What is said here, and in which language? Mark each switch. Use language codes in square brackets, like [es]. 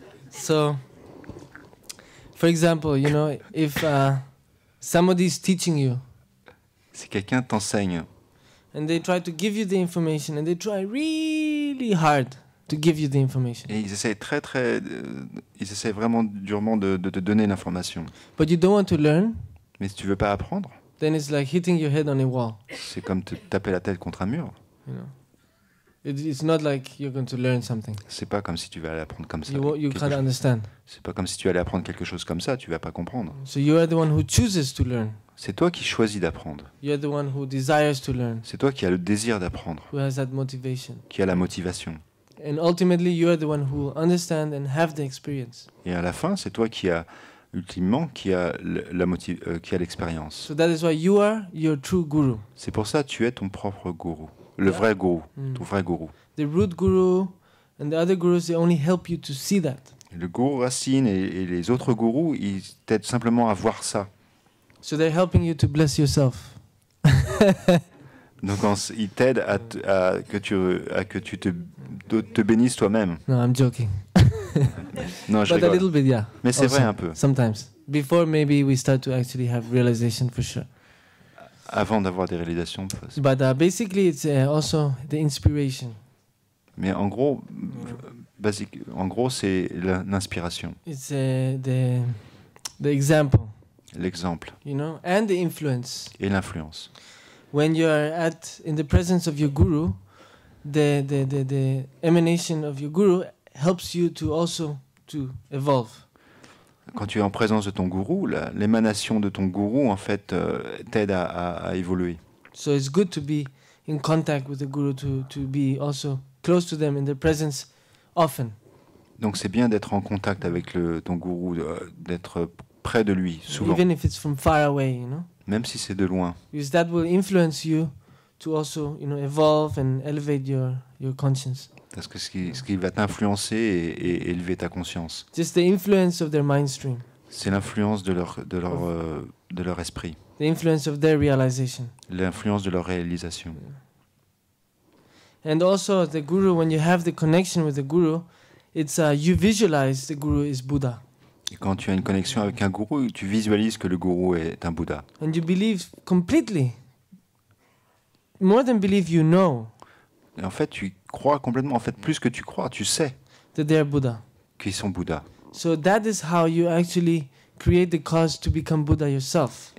[en] So, for example, you know, if somebody is teaching you, [fr] si quelqu'un t'enseigne, [en] and they try to give you the information, and they try really hard to give you the information. [fr] Et ils essaient très très, ils essaient vraiment durement de te donner l'information. [en] But you don't want to learn. [fr] Mais si tu veux pas apprendre, [en] then it's like hitting your head on a wall. [fr] C'est comme te taper la tête contre un mur. [en] You know, it's not like you're going to learn something. [fr] C'est pas comme si tu vas apprendre comme ça. [en] You can't understand. [fr] C'est pas comme si tu allais apprendre quelque chose comme ça. Tu vas pas comprendre. [en] So you are the one who chooses to learn. [fr] C'est toi qui choisis d'apprendre. [en] You are the one who desires to learn. [fr] C'est toi qui a le désir d'apprendre. [en] Who has that motivation? [fr] Qui a la motivation? [en] And ultimately, you are the one who will understand and have the experience. [fr] Et à la fin, c'est toi qui a ultimement qui a qui a l'expérience. [en] So that is why you are your true guru. [fr] C'est pour ça que tu es ton propre guru, le vrai guru, ton vrai guru. [en] The root guru and the other gurus, they only help you to see that. [fr] Le guru racine et les autres gurus, ils t'aident simplement à voir ça. [en] So they're helping you to bless yourself. [fr] Donc ils t'aident à que tu te bénisses toi-même. [en] No, I'm joking. [fr] Non, [en] but a little bit, yeah. [fr] Mais c'est vrai un peu. [en] Sometimes, before maybe we start to actually have realization for sure. [fr] Avant d'avoir des réalisations. [en] But basically, it's also the inspiration. [fr] Mais en gros, c'est l'inspiration. [en] It's the example. [fr] L'exemple. [en] You know, and the influence. [fr] Et l'influence. [en] When you are in the presence of your guru, the emanation of your guru helps you to also to evolve. [fr] Quand tu es en présence de ton gourou, l'émanation de ton gourou en fait t'aide à évoluer. [en] So it's good to be in contact with the guru to be also close to them in their presence often. [fr] Donc c'est bien d'être en contact avec ton gourou, d'être près de lui souvent. [en] Even if it's from far away, you know. [fr] Même si c'est de loin. [en] Because that will influence you to also, you know, evolve and elevate your conscience. [fr] Parce que ce qui va t'influencer et élever ta conscience. [en] Just the influence of their mindstream. [fr] C'est l'influence de leur esprit. [en] The influence of their realization. [fr] L'influence de leur réalisation. [en] And also the guru, when you have the connection with the guru, it's you visualize the guru is Buddha. [fr] Et quand tu as une connexion avec un gourou, tu visualises que le gourou est un Bouddha. [en] And you believe completely. More than believe, you know. [fr] Et en fait, tu crois complètement. En fait, plus que tu crois, tu sais. [en] That they are Buddha. [fr] Qu'ils sont Bouddha. [en] So that is how you actually create the cause to become Buddha yourself.